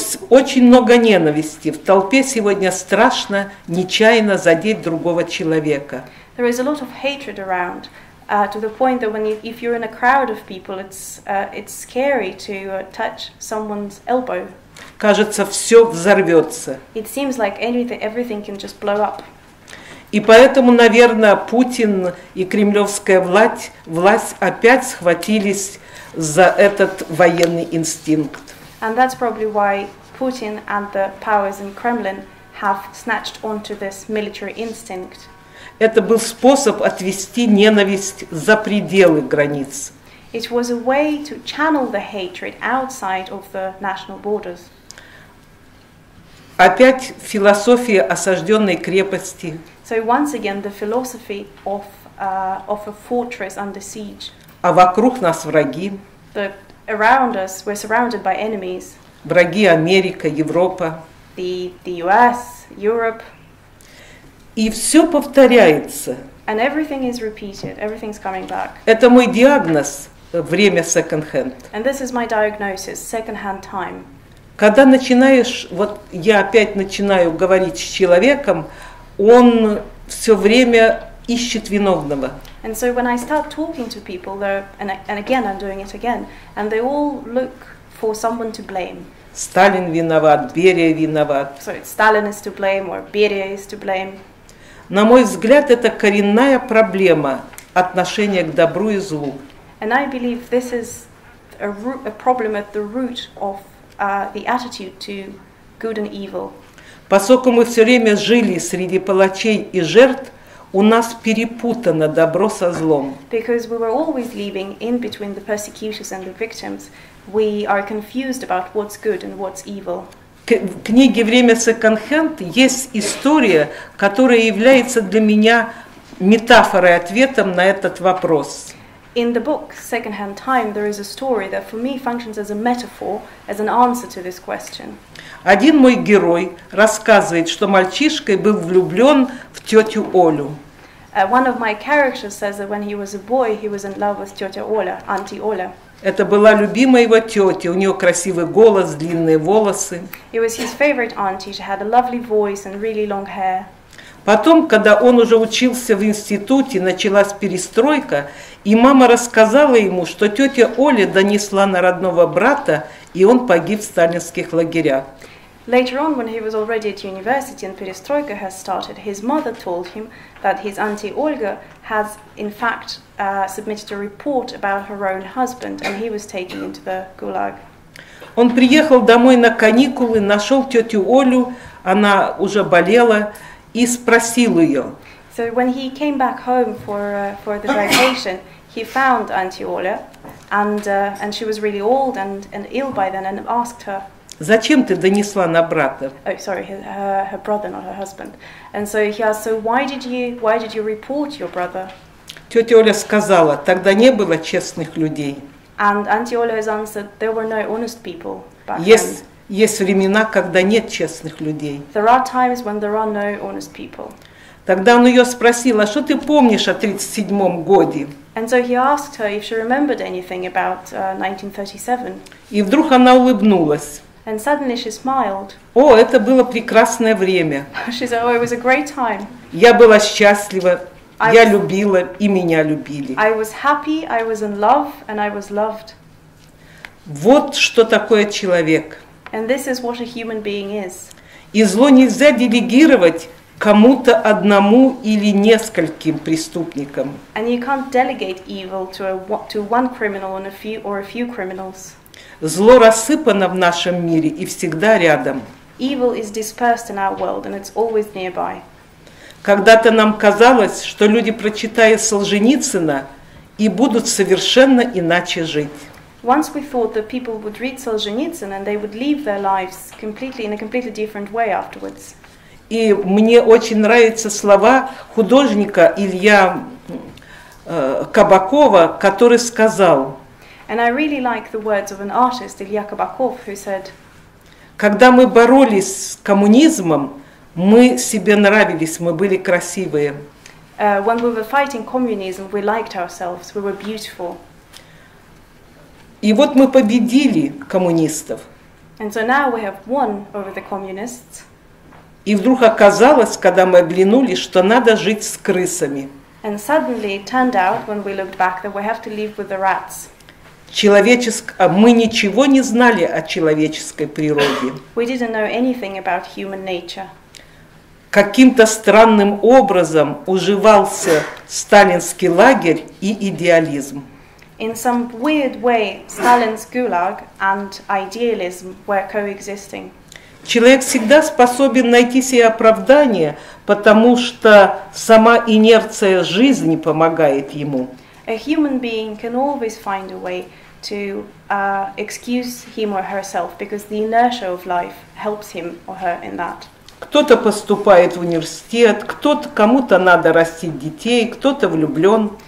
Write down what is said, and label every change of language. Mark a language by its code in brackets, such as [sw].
[ru] Очень много ненависти. В толпе сегодня страшно нечаянно задеть другого человека. [en] There is a lot of hatred around. to the point that when if you're in a crowd of people, it's scary to touch someone's elbow. [ru] Кажется, все взорвется. [en] It seems like everything can just blow up. [ru] И поэтому, наверное, Путин и кремлевская власть опять схватились за этот военный инстинкт. [en] And that's probably why Putin and the powers in Kremlin have snatched onto this military instinct. [ru] Это был способ отвести ненависть за пределы границ. [en] It was a way to channel the hatred outside of the national borders. [ru] Опять философия осажденной крепости. [en] So once again, the philosophy of a fortress under siege. [ru] А вокруг нас враги. [en] But around us, we're surrounded by enemies. [ru] Враги Америка, Европа. [en] The US, Europe. [ru] И все повторяется. [en] And everything is repeated. Everything's coming back. [ru] Это мой диагноз. Время second-hand. [en] And this is my diagnosis, second-hand time. [ru] Когда начинаешь, вот я опять начинаю говорить с человеком, он все время ищет виновного. [en] And so when I start talking to people, and again I'm doing it again, and they all look for someone to blame. [ru] Сталин виноват, Берия виноват. [en] So Stalin is to blame or Берия is to blame. [ru] На мой взгляд, это коренная проблема отношения к добру и злу. [en] And I believe this is a problem at the root of the attitude to good and evil. [ru] Поскольку мы все время жили среди палачей и жертв, у нас перепутано добро со злом. [en] Because we were always living in between the persecutors and the victims, we are confused about what's good and what's evil. [ru] В книге «Время секонд-хенд» есть история, которая является для меня метафорой, ответом на этот вопрос. [en] In the book Secondhand Time, there is a story that for me functions as a metaphor, as an answer to this question. [ru] Один мой герой рассказывает, что мальчишкой был влюблен в тетю Олю. [en] One of my characters says that when he was a boy, he was in love with [ru] тетя Оля, [en] Auntie Оля. [ru] Это была любимая его тетя, у нее красивый голос, длинные волосы. [en] It was his favorite auntie, she had a lovely voice and really long hair. [ru] Потом, когда он уже учился в институте, началась перестройка, и мама рассказала ему, что тетя Оля донесла на родного брата, и он погиб в сталинских лагерях. [en] Later on, when he was already at university and perestroika has started, his mother told him that his auntie Olga has, in fact, submitted a report about her own husband, and he was taken into the gulag. [ru] Он приехал домой на каникулы, нашел тетю Олю, она уже болела, и спросил ее. [en] So when he came back home for the vacation, he found Auntie Оля, and she was really old and ill by then, and asked her. [ru] Зачем ты донесла на брата? [en] Oh, sorry, her brother, not her husband. And so he asked, so why did you report your brother? [ru] Тетя Оля сказала, тогда не было честных людей. [en] And Auntie Оля has answered, there were no honest people back then. Yes. [ru] Есть времена, когда нет честных людей. [en] There are times when there are no honest people. [ru] Тогда он ее спросил, а что ты помнишь о 37-м годе? [en] And so he asked her if she remembered anything about 1937. [ru] И вдруг она улыбнулась. [en] And suddenly she smiled. [ru] О, это было прекрасное время. [en] She said, oh, it was a great time. [ru] Я была счастлива, я любила, и меня любили. [en] I was happy, I was in love, and I was loved. [ru] Вот что такое человек. [en] And this is what a human being is. [ru] И зло нельзя делегировать кому-то одному или нескольким преступникам. [en] And you can't delegate evil to one criminal or a few criminals. [ru] Зло рассыпано в нашем мире и всегда рядом. [en] Evil is dispersed in our world and it's always nearby. [ru] Когда-то нам казалось, что люди, прочитая Солженицына, и будут совершенно иначе жить. [en] Once we thought that people would read Solzhenitsyn and they would live their lives completely in a completely different way afterwards. [ru] И мне очень нравятся слова художника Илья Кабакова, который сказал. [en] And I really like the words of an artist, Илья Кабаков, who said. [ru] Когда мы боролись с коммунизмом, мы себе нравились, мы были красивые. [en] When we were fighting communism, we liked ourselves, we were beautiful. [ru] И вот мы победили коммунистов. [en] And so now we have won over the communists. [ru] И вдруг оказалось, когда мы оглянулись, что надо жить с крысами. [en] And suddenly it turned out, when we looked back, that we have to live with the rats. [ru] Мы ничего не знали о человеческой природе. [en] We didn't know anything about human nature. [ru] Каким-то странным образом уживался сталинский лагерь и идеализм. [en] In some weird way, Stalin's gulag and idealism were coexisting. [ru] Человек всегда способен найти себе оправдание, потому что сама инерция жизни помогает ему. [en] A human being can always find a way to excuse him or herself because the inertia of life helps him or her in that. [ru] Кто-то поступает в университет, кто-то кому-то надо растить детей, кто-то влюблен.